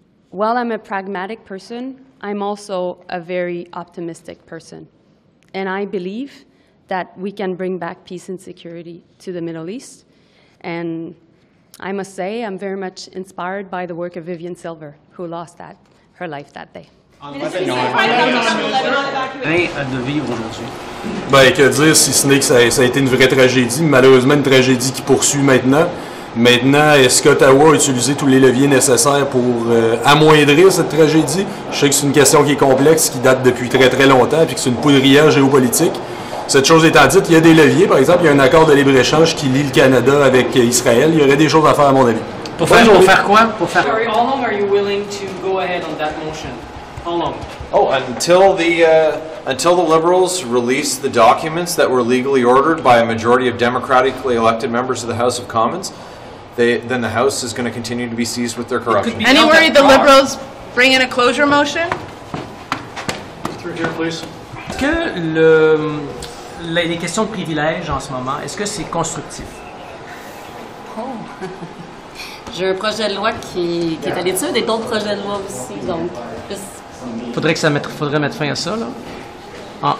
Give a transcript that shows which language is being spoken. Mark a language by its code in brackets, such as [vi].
[en] Well, I'm a pragmatic person. I'm also a very optimistic person. And I believe that we can bring back peace and security to the Middle East. And I must say, I'm very much inspired by the work of Vivian Silver, who lost her life that day. [fr] Bien, que dire, si ce n'est que ça a été une vraie tragédie, malheureusement une tragédie qui poursuit maintenant. Maintenant, est-ce qu'Ottawa a utilisé tous les leviers nécessaires pour amoindrir cette tragédie? Je sais que c'est une question qui est complexe, qui date depuis très très longtemps, puis que c'est une poudrière géopolitique. Cette chose étant dite, il y a des leviers. Par exemple, il y a un accord de libre-échange qui lie le Canada avec Israël. Il y aurait des choses à faire, à mon avis. Pour faire quoi? [en] Sorry, how long are you willing to go ahead on that motion? How long? Oh, until the Liberals release the documents that were legally ordered by a majority of democratically elected members of the House of Commons, then the House is going to continue to be seized with their corruption. Any worry the Liberals bring in a closure motion? Through here, please. [fr] Que les questions de privilèges en ce moment, est-ce que c'est constructif? J'ai un projet de loi qui est à l'étude et d'autres projets de loi aussi, donc... Faudrait mettre fin à ça, là. Ah.